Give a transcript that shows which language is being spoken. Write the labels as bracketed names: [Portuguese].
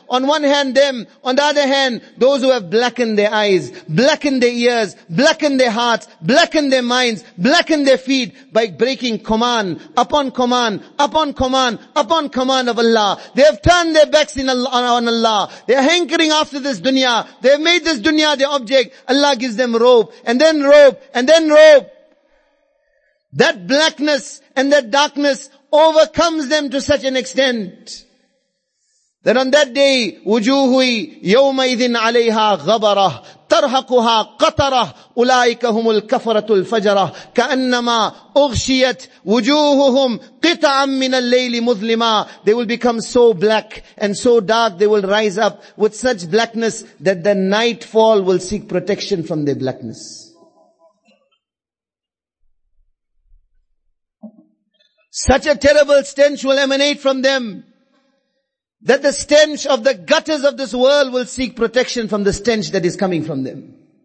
[English] On one hand them, on the other hand, those who have blackened their eyes, blackened their ears, blackened their hearts, blackened their minds, blackened their feet by breaking command, upon command, upon command, upon command of Allah. They have turned their backs on Allah. They are hankering after this dunya. They have made this dunya their object. Allah gives them rope, and then rope, and then rope. That blackness and that darkness overcomes them to such an extent that on that day, [Arabic] وُجُوهُي يَوْمَئِذٍ عَلَيْهَا غَبَرَهُ تَرْحَقُهَا قَطَرَهُ أُولَٰئِكَ هُمُ الْكَفَرَةُ الْفَجَرَهُ كَأَنَّمَا أُغْشِيَتْ وُجُوهُهُمْ قِطَعًا مِّنَ اللَّيْلِ مُظْلِمًا. [English] They will become so black and so dark, they will rise up with such blackness that the nightfall will seek protection from their blackness. Such a terrible stench will emanate from them that the stench of the gutters of this world will seek protection from the stench that is coming from them.